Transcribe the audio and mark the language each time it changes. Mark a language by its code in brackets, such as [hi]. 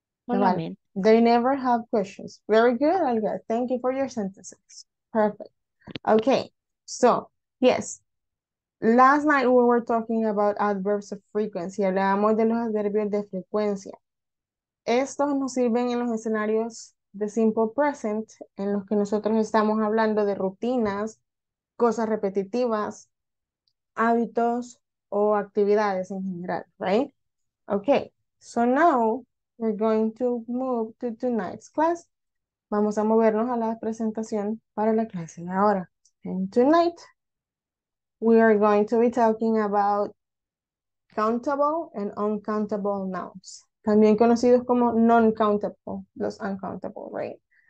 [en] They never have questions. Very good, Olga. Thank you for your sentences. Perfect. Okay, so, yes. Last night we were talking about adverbs of frequency. [es] Hablábamos de los adverbios de frecuencia. Estos nos sirven en los escenarios de simple present, en los que nosotros estamos hablando de rutinas, cosas repetitivas, hábitos o actividades en general, right? [en] Okay, so now we're going to move to tonight's class. [es] Vamos a movernos a la presentación para la clase de ahora. [en] And tonight, we are going to be talking about countable and uncountable nouns, [es] también conocidos como [en] non-countable, los uncountable, right?